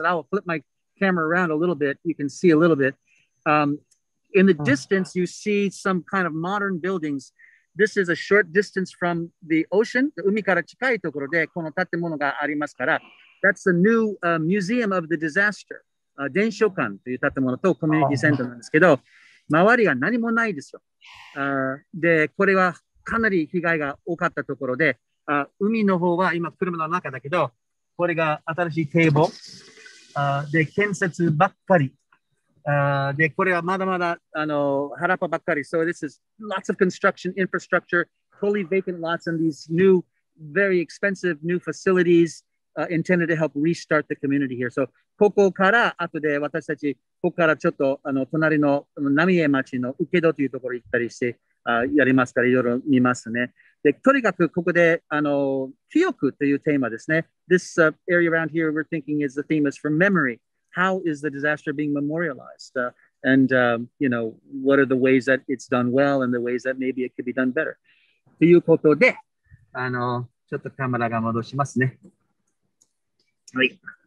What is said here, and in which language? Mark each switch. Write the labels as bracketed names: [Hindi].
[English] And I will flip my camera around a little bit. You can see a little bit. In the distance, you see some kind of modern buildings. This is a short distance from the ocean. [Japanese] 海から近いところでこの建物がありますから。 [English] That's the new museum of the disaster. [Japanese] 伝承館という建物とコミュニティセンターなんですけど、周りが何もないですよ。で、これはかなり被害が多かったところで、海の方は今車の中だけど、これが新しい堤防。で、建設ばっかり。で、これはまだまだ、原っぱばっかり。 [English] So this is lots of construction infrastructure, totally vacant lots and these new, very expensive new facilities, intended to help restart the community here. [Japanese] So ここから後で私たち、ここからちょっと隣の浪江町の請戸というところ行ったりして、やりますから、いろいろ見ますね。で、とにかくここで、記憶というテーマですね。 [English] This area around here we're thinking is the theme is for memory. How is the disaster being memorialized? And, what are the ways that it's done well and the ways that maybe it could be done better? [Japanese] ということで、ちょっとカメラが戻しますね。はい。